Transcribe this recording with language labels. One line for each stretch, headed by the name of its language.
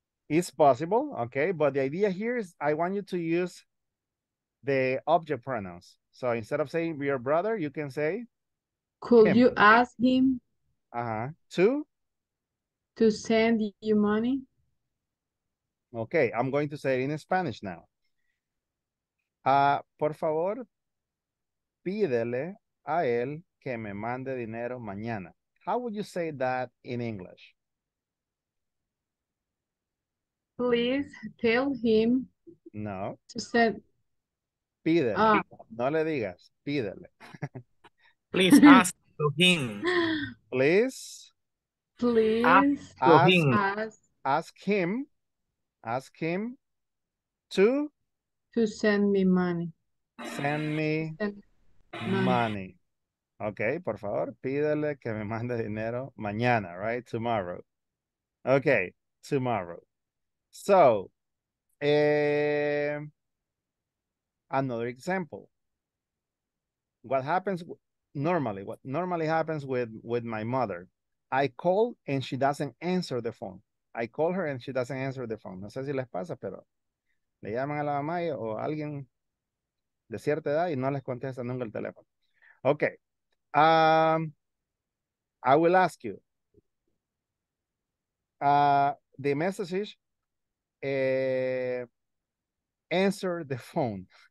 English: It's possible, okay, but the idea here is I want you to use the object pronouns. So instead of saying your brother, you can say could him. You ask him to send you money? Okay, I'm going to say it in Spanish now.
Spanish: Por favor, pídele a él que me mande dinero mañana.
English: How would you say that in English? Please tell him. No. To send.
Spanish: Pídele. No le digas. Pídele.
English: Please ask to him. Please. Please ask, to him. Ask him. Ask him to. To send me money. Send me money.
Spanish: Okay, por favor, pídele que me mande dinero mañana, right?
English: Tomorrow. Okay, tomorrow. So, another example. What happens normally? What normally happens with my mother? I call and she doesn't answer the phone. I call her and she doesn't answer the phone.
Spanish: No sé si les pasa, pero le llaman a la mamá y, o alguien de cierta edad y no les contesta nunca el teléfono.
English: Okay. I will ask you. The message answer the phone.